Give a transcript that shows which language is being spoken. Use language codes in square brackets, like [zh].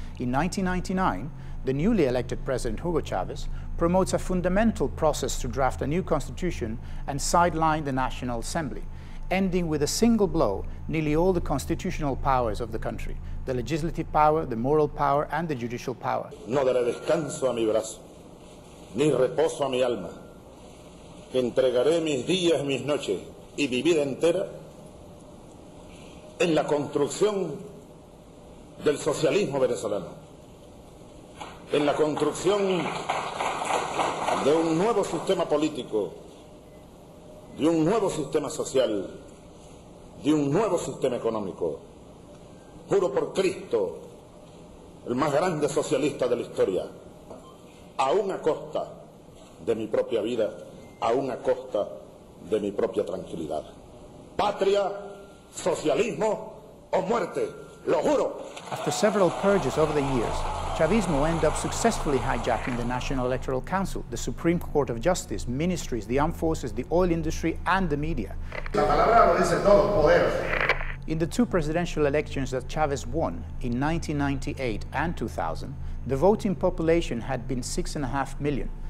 [en] In 1999, the newly elected president Hugo Chavez promotes a fundamental process to draft a new constitution and sideline the National Assembly, ending with a single blow nearly all the constitutional powers of the country, the legislative power, the moral power, and the judicial power. [es] No daré descanso a mi brazo, ni reposo a mi alma. Entregaré mis días, mis noches y mi vida entera en la construcción del socialismo venezolano, en la construcción de un nuevo sistema político, de un nuevo sistema social, de un nuevo sistema económico. Juro por Cristo, el más grande socialista de la historia, aún a costa de mi propia vida, aún a costa de mi propia tranquilidad. Patria, socialismo o muerte, lo juro. [en] After several purges over the years, Chavismo ended up successfully hijacking the National Electoral Council, the Supreme Court of Justice, ministries, the armed forces, the oil industry, and the media. [es] La palabra lo dice todo, poder. [en] In the two presidential elections that Chavez won, in 1998 and 2000, the voting population had been 6.5 million.